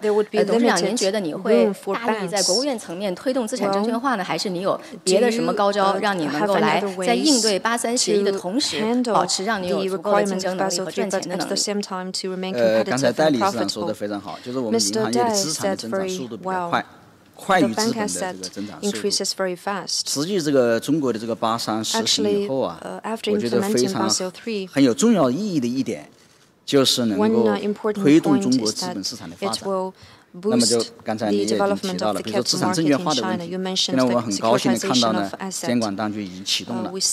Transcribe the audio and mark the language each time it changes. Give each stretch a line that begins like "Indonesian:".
Chinese: 董事长，您觉得你会大力在国务院层面推动资产证券化呢，还是你有别的什么高招，让你能够来在应对八三协议的同时，保持让你有足够的竞争能力和赚钱的能力？刚才戴理事长说的非常好，就是我们银行业的资产的增长。
English: Very well. The bank asset increases very fast.
Chinese: 实际这个中国的这个八三实施以后啊，
English: Actually,
Chinese: 我觉得非常很有重要意义的一点，就是能够推动中国资本市场的发展。那么就刚才你也提到了，比如说资产证券化的问题，现在我们很高兴地看到呢，监管当局已经启动了。